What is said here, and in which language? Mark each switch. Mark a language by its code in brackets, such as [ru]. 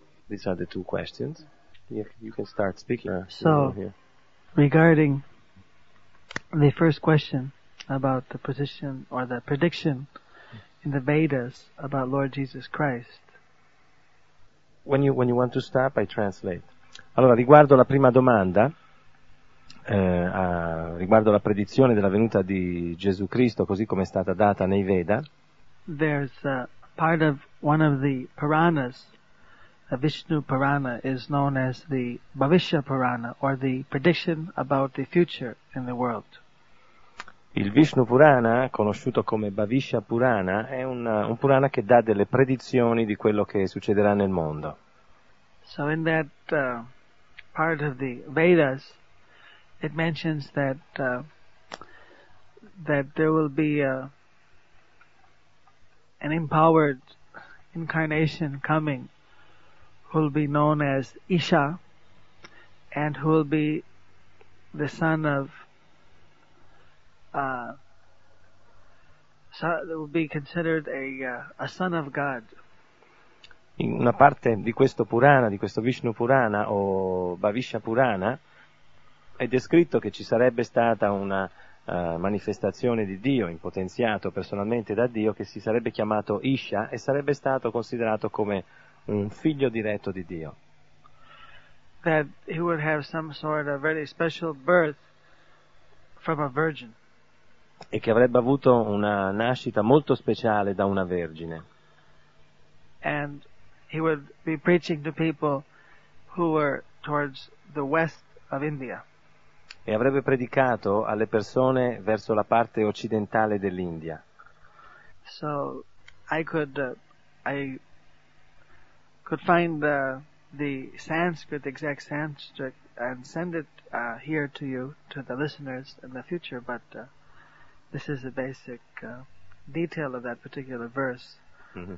[en] These are the two questions. You can start speaking. So, regarding the first question about the position or the prediction in the Vedas about Lord Jesus Christ. When you want to stop, I translate. [it] Allora, riguardo la prima domanda, riguardo la predizione della venuta di Gesù Cristo, così come è stata data nei Veda. [en] There's a part of one of the Puranas. The Vishnu Purana is known as the Bhavishya Purana, or the prediction about the future in the world. [it] Il Vishnu Purana, conosciuto come Bhavishya Purana, è un Purana che dà delle predizioni di quello che succederà nel mondo. [en] So in that part of the Vedas, it mentions that that there will be an empowered incarnation coming, who will be known as Isha, and who will be the son of, will be considered a son of God. [it] In una parte di questo Purana, di questo Vishnu Purana o Bhavishya Purana, è descritto che ci sarebbe stata una manifestazione di Dio, impotenziato personalmente da Dio, che si sarebbe chiamato Isha e sarebbe stato considerato come un figlio diretto di Dio. [en] That he would have some sort of very special birth from a virgin. [it] E che avrebbe avuto una nascita molto speciale da una vergine. [en] And he would be preaching to people who were towards the west of India. [it] E avrebbe predicato alle persone verso la parte occidentale dell'India. [en] So I could find the Sanskrit, the exact Sanskrit, and send it here to you, to the listeners in the future, but this is a basic detail of that particular verse. Mm-hmm.